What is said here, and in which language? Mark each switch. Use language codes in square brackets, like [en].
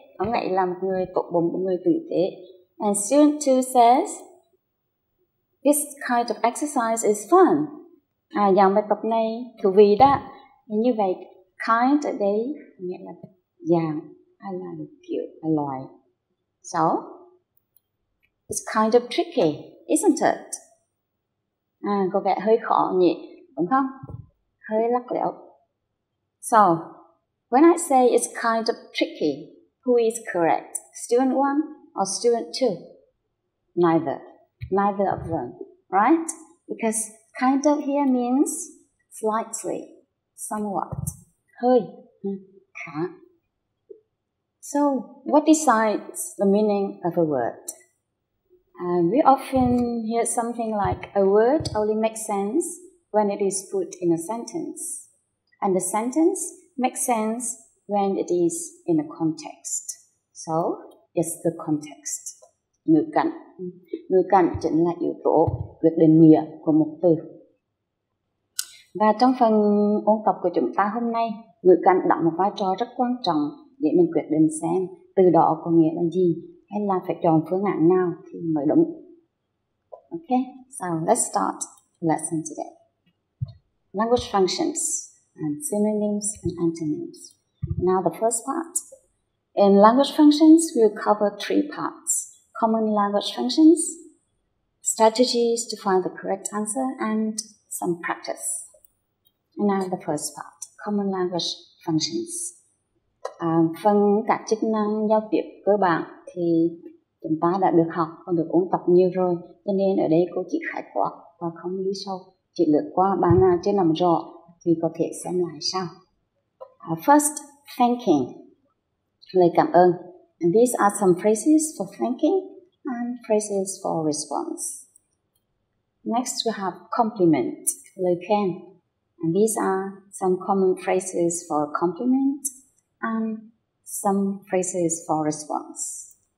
[vi] Ông ấy là một người tốt bụng, một người tử tế. [en] And student 2 says, this kind of exercise is fun. [vi] À, dạng bài tập này thú vị đó. Như vậy, kind ở đây nghĩa là dạng hay là kiểu loài. [en] So, it's kind of tricky, isn't it? [vi] À, có vẻ hơi khó nhỉ, đúng không? Hơi lắc lẻo. [en] So, when I say it's kind of tricky, who is correct? Student 1 or student 2? Neither. Neither of them, right? Because kind of here means slightly, somewhat. [vi] Hơi. Khá. [en] So, what decides the meaning of a word? We often hear something like a word only makes sense when it is put in a sentence. And the sentence makes sense when it is in a context. So, it's the context. [vi] Ngữ cảnh. Ngữ cảnh chính là yếu tố quyết định nghĩa của một từ. Và trong phần ôn tập của chúng ta hôm nay, ngữ cảnh đóng một vai trò rất quan trọng để mình quyết định xem từ đó có nghĩa là gì. Hay là phải chọn phương án nào thì mới đúng. [en] Okay, so let's start the lesson today. Language functions and synonyms and antonyms. Now the first part. In language functions, we'll cover three parts. Common language functions, strategies to find the correct answer, and some practice. And now the first part. Common language functions. [vi] Phần các chức năng giao tiếp cơ bản thì chúng ta đã được học và được ôn tập nhiều rồi, cho nên ở đây cô chỉ khái quát và không đi sâu, chỉ lướt qua bài nào chưa nắm rõ thì có thể xem lại sau. [en] First, thanking, [vi] lời cảm ơn. [en] And these are some phrases for thanking and phrases for response. Next, we have compliment, [vi] lời khen. [en] And these are some common phrases for compliment and some phrases for response.